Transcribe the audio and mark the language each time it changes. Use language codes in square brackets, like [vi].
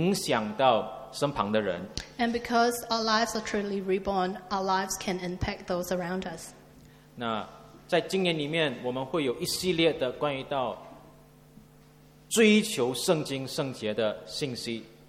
[zh] 每一个基督徒的生命也因着有这个真正的重生的生命，它能够影响到身旁的人。 [en] And because our lives are truly reborn, our lives can impact those around us. [zh] 那在今年里面，我们会有一系列的关于到追求圣经圣洁的信息。